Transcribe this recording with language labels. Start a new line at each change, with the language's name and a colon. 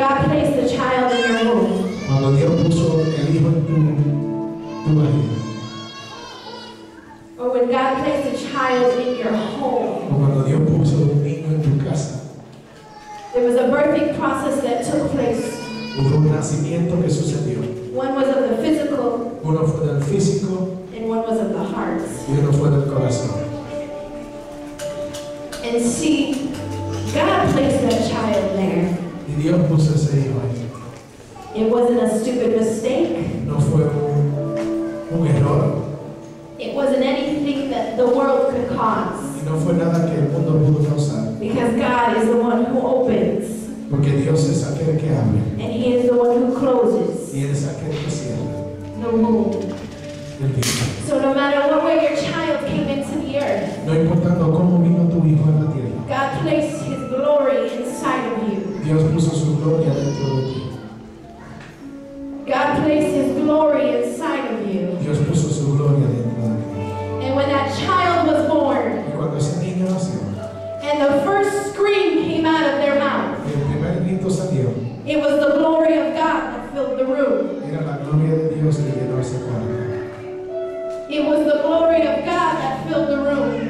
English: Because when God placed the child in your womb,
Spanish: cuando Dios puso el hijo en tu vagina,
English: or when God placed a child in your home,
Spanish: cuando Dios puso un niño en tu casa,
English: there was a birthing process that took place.
Spanish: Hubo un nacimiento que sucedió.
English: One was of the physical,
Spanish: uno fue del físico,
English: and one was of the heart,
Spanish: y uno fue del corazón.
English: And see, God placed that child there.
Spanish: Dios puso ese hijo ahí.
English: It wasn't a stupid mistake.
Spanish: No fue un error.
English: It wasn't anything that the world could cause.
Spanish: Y no fue nada que el mundo pudo causar.
English: Because God is the one who opens.
Spanish: Porque Dios es aquel que abre.
English: And He is the one who closes.
Spanish: Y él es aquel que cierra.
English: No move. So no matter what way your child came into the earth,
Spanish: no importando cómo vino tu hijo en la tierra,
English: God placed His glory inside of you.
Spanish: Dios puso su gloria dentro de ti.
English: God placed His glory inside of you.
Spanish: Dios puso su gloria dentro de ti.
English: And when that child was born,
Spanish: y cuando ese niño nació,
English: and the first scream came out of their mouth,
Spanish: y el primer grito salió,
English: it was the glory of God that filled the room.
Spanish: Era la gloria de Dios que llenó ese cuarto.
English: It was the glory of God that filled the room.